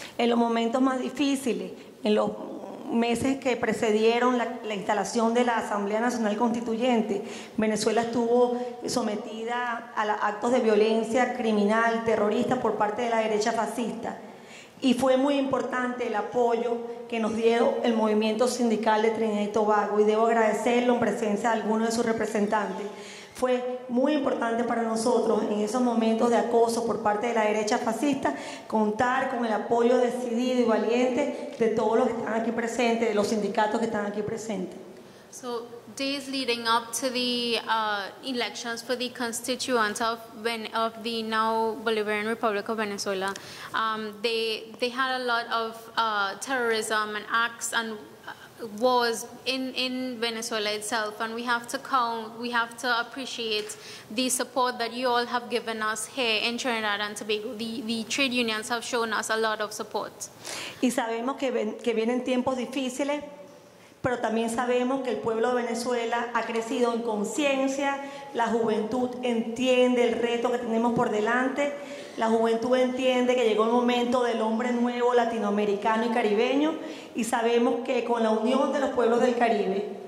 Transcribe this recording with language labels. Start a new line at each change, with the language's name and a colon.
Spanish: En los momentos más difíciles, en los meses que precedieron la instalación de la Asamblea Nacional Constituyente, Venezuela estuvo sometida a actos de violencia criminal, terrorista por parte de la derecha fascista. Y fue muy importante el apoyo que nos dio el movimiento sindical de Trinidad y Tobago, y debo agradecerlo en presencia de alguno de sus representantes. Fue muy importante para nosotros en esos momentos de acoso por parte de la derecha fascista contar con el apoyo decidido y valiente de todos los que están aquí presentes, de los sindicatos que están aquí presentes.
English: So, days leading up to the elections for the constituents of the now Bolivarian Republic of Venezuela, they had a lot of terrorism and acts and wars in Venezuela itself, and we have to appreciate the support that you all have given us here in Trinidad and Tobago. The trade unions have shown us a lot of support.
Spanish: Y sabemos que vienen tiempos difíciles, pero también sabemos que el pueblo de Venezuela ha crecido en conciencia, la juventud entiende el reto que tenemos por delante, la juventud entiende que llegó el momento del hombre nuevo latinoamericano y caribeño, y sabemos que con la unión de los pueblos del Caribe,